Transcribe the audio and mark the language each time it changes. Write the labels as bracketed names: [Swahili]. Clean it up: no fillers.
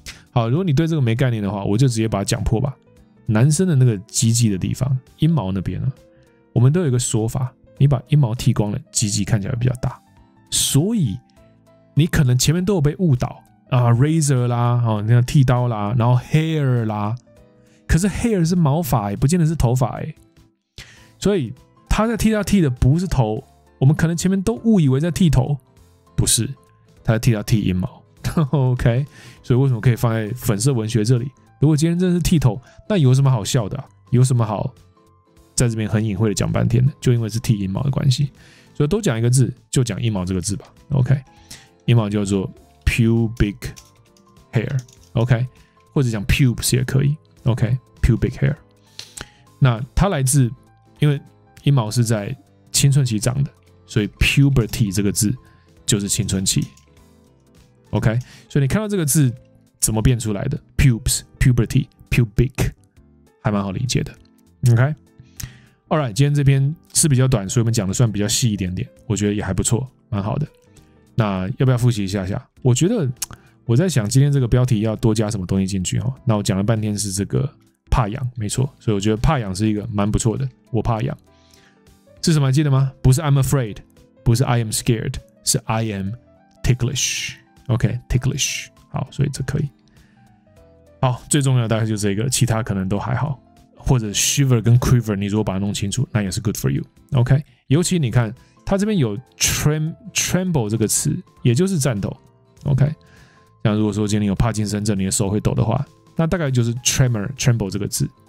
[Chinese] 好，如果你对这个没概念的话，我就直接把它讲破吧。男生的那个鸡鸡的地方，阴毛那边，我们都有一个说法，你把阴毛剃光了，鸡鸡看起来比较大，所以你可能前面都有被误导啊， razor 啦，那个剃刀啦，然后 hair 啦，可是 hair 是毛发，不见得是头发，所以他在剃刀剃的不是头，我们可能前面都误以为在剃头，不是，他在剃刀剃阴毛。 OK， 所以为什么可以放在粉色文学这里？如果今天真的是剃头，那有什么好笑的、啊、有什么好在这边很隐晦的讲半天的？就因为是剃阴毛的关系，所以都讲一个字，就讲阴毛这个字吧。 OK， 阴毛叫做 pubic hair。 OK， 或者讲 pubes 也可以。 OK，pubic hair。那它来自，因为阴毛是在青春期长的，所以 puberty 这个字就是青春期。 OK， 所以你看到这个字怎么变出来的 ？Pubes, puberty, pubic， 还蛮好理解的。 OK， alright， 今天这篇是比较短，所以我们讲的算比较细一点点，我觉得也还不错，蛮好的。那要不要复习一下下？我觉得我在想今天这个标题要多加什么东西进去哦。那我讲了半天是这个怕痒，没错，所以我觉得怕痒是一个蛮不错的。我怕痒是什么？记得吗？不是 [English] I'm afraid， [Chinese] 不是 [English] I am scared， [Chinese] 是 [English] I am ticklish。 [Chinese] OK， ticklish， 好，所以这可以。好，最重要的大概就是这个，其他可能都还好。或者 shiver 跟 quiver， 你如果把它弄清楚，那也是 [English] good for you。 [Chinese] OK， 尤其你看，它这边有 tremble 这个词，也就是颤抖。 OK， 像如果说今天你有帕金森症，你的手会抖的话，那大概就是 tremor tremble 这个字。